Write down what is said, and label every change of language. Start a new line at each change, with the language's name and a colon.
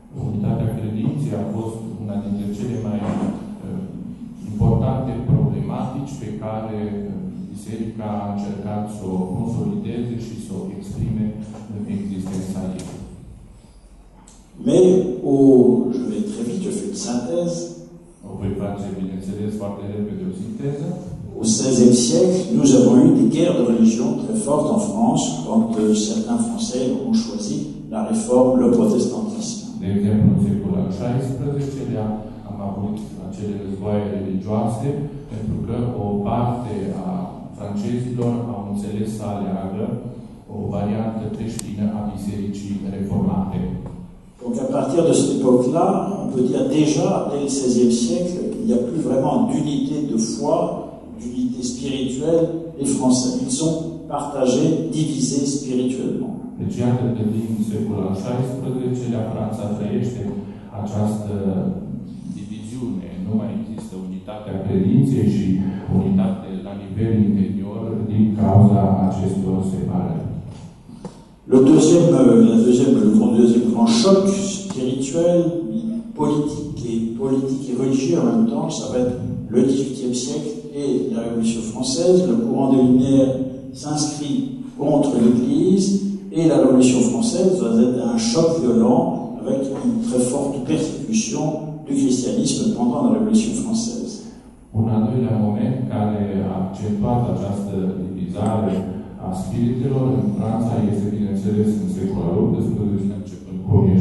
Romanian: Unitatea credinței a fost una dintre cele mai importante problematici pe care Biserica a încercat să o consolideze și să o exprime în existența ei.
French: Mais, je vais très vite, je fais une synthèse.
Romanian: O voi face, bineînțeles, foarte repede o sinteză.
French: Au XVIe siècle, nous avons eu des guerres de religion très fortes en France quand certains Français ont choisi la réforme, le protestantisme.
Romanian: De exemplu, în secolul al XVI-lea am avut acele războaie religioase pentru că o parte a francezilor au înțeles să aleagă o variantă creștină a bisericii reformate.
French: Donc, à partir de cette époque-là, on peut dire déjà, dès le XVIe siècle, il n'y a plus vraiment d'unité de foi, d'unité spirituelle, les Français. Ils sont partagés, divisés spirituellement.
Romanian: Deci, iată, de din secolul al XVI-lea, Franța trăiește această diviziune. Nu mai există unitatea credinței și unitate la nivel interior din cauza acestor separări.
French: Le deuxième grand choc spirituel, politic et politique et religieux en même temps, ça va être le XVIIIe siècle et la Révolution française. Le courant des Lumières s'inscrit contre l'Église. Et la Révolution française va être un choc violent avec une très forte persécution du christianisme pendant la Révolution française.
Romanian: Un al doilea moment care a accentuat această divizare a spiritelor în Franța este, bineînțeles, în secolul XVIII, începând cu